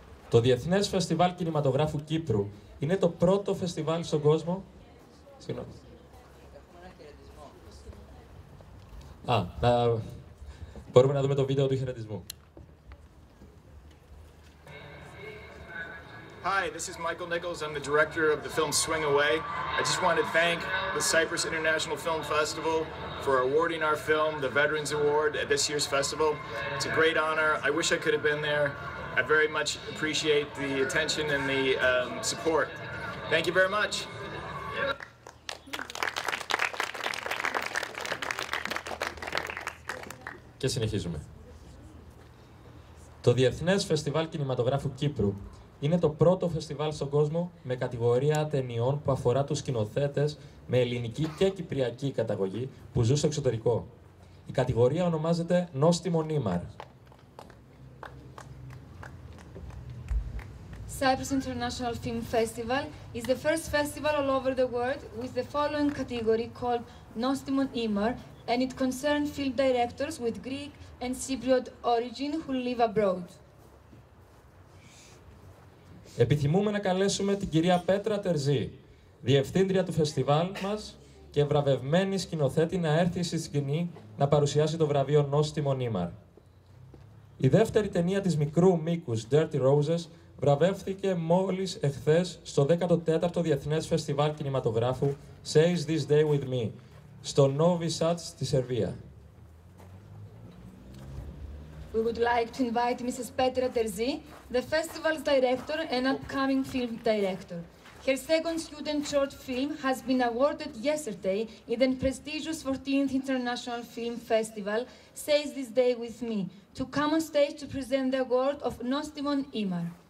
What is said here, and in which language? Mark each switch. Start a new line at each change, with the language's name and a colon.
Greek: Το Διεθνές Φεστιβάλ Κινηματογράφου Κύπρου είναι το πρώτο φεστιβάλ στον κόσμο. Συγγνώμη. Έχουμε ένα χαιρετισμό. Μπορούμε να δούμε το βίντεο του χαιρετισμού.
English: Hi, this is Michael Nichols. I'm the director of the film Swing Away. I just want to thank the Cyprus International Film Festival for awarding our film the Veterans Award at this year's festival. It's a great honor. I wish I could have been there. I very much appreciate the attention and the support. Thank you very much.
Greek: Και συνεχίζουμε. Το Διεθνές Φεστιβάλ Κινηματογράφου Κύπρου είναι το πρώτο φεστιβάλ στον κόσμο με κατηγορία ταινιών που αφορά τους σκηνοθέτες με ελληνική και κυπριακή καταγωγή που ζουν στο εξωτερικό. Η κατηγορία ονομάζεται Νόστιμο Νίμαρ.
English: Cyprus International Film Festival is the first festival all over the world with the following category called Nostimon Imar, and it concerns film directors with Greek and Cypriot origin who live abroad.
Greek: Επιθυμούμε να καλέσουμε την κυρία Πέτρα Τερζή, διευθύντρια του φεστιβάλ μας και βραβευμένη σκηνοθέτη, να έρθει στη σκηνή να παρουσιάσει το βραβείο Nostimon Imar. Η δεύτερη ταινία της μικρού μήκους, Dirty Roses, βραβεύθηκε μόλις εχθές στο 14ο Διεθνές Φεστιβάλ Κινηματογράφου Says This Day With Me, στο Novi Sad στη Σερβία.
English: We would like to invite Mrs. Petra Terzi, the festival's director and upcoming film director. Her second student short film has been awarded yesterday in the prestigious 14th International Film Festival Says This Day With Me, to come on stage to present the award of Nostimon Imar.